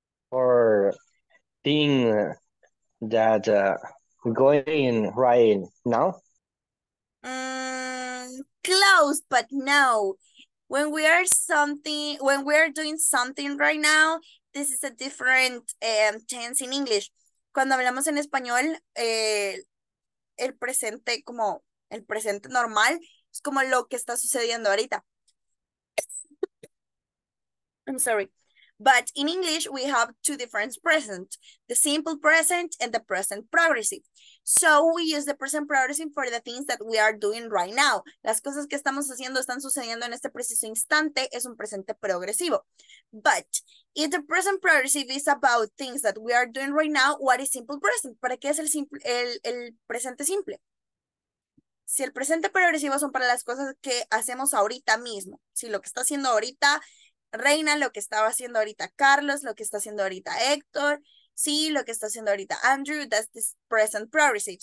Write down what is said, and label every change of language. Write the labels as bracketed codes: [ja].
[en] For thing that going right now? Close, but no. When we are doing something right now, this is a different tense in English. [es] Cuando hablamos en español, el presente como el presente normal es como lo que está sucediendo ahorita. [en] I'm sorry. But in English, we have two different present, the simple present and the present progressive. So we use the present progressive for the things that we are doing right now. [es] Las cosas que estamos haciendo están sucediendo en este preciso instante es un presente progresivo. [en] But if the present progressive is about things that we are doing right now, what is simple present? [es] ¿Para qué es el presente simple? Si el presente progresivo son para las cosas que hacemos ahorita mismo, si lo que está haciendo ahorita Reina, lo que estaba haciendo ahorita Carlos, lo que está haciendo ahorita Héctor, sí, lo que está haciendo ahorita Andrew, [en] that's the present progressive.